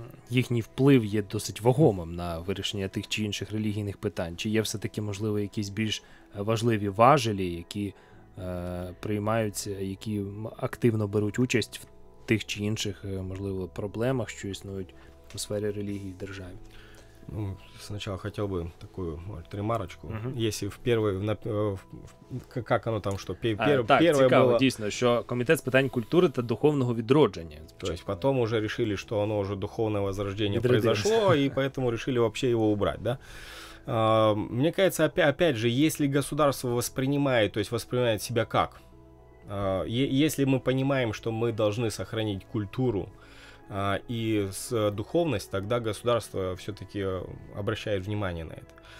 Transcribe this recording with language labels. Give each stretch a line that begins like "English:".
Ukrainian: їхній вплив є досить вагомим на вирішення тих чи інших релігійних питань? Чи є все-таки, можливо, якісь більш важливі важелі, які приймаються, які активно беруть участь в тих чи інших, можливо, проблемах, що існують у сфері релігії в державі?
Russian: Ну, сначала хотел бы такую ремарочку. Угу. Если в первой, как оно там, что первое было...
Ukrainian: Так, цікаво, что Комитет с питань культуры та духовного відродження.
Russian: То есть потом уже решили, что оно уже духовное возрождение произошло, и поэтому решили вообще его убрать, да? Мне кажется, опять же, если государство воспринимает, то есть воспринимает себя как? Если мы понимаем, что мы должны сохранить культуру, и с духовностью, тогда государство все-таки обращает внимание на это.